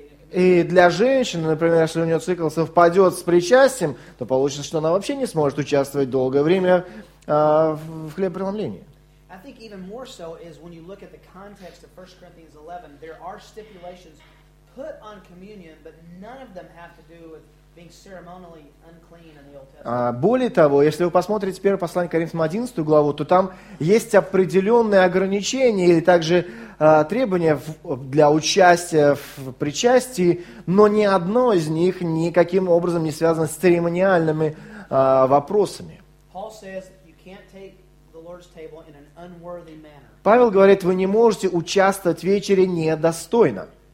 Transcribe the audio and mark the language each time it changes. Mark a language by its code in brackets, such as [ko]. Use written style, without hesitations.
[ru] И для женщины, например, если у нее цикл совпадет с причастием, то получится, что она вообще не сможет участвовать долгое время в хлебопреломлении. [en] I think even more so is when you look at the context of 1 Corinthians 11, there are stipulations put on communion, but none of them have to do with being ceremonially unclean in the Old Testament. [ru] Более того, если вы посмотрите первое послание к Коринфянам 11 главу, то там есть определенные ограничения или также требования для участия в причастии, но ни одно из них никаким образом не связано с церемониальными вопросами. [en] Paul says you can't take the Lord's table in an unworthy manner. [ru] Павел говорит, вы не можете участвовать в вечере недостойно.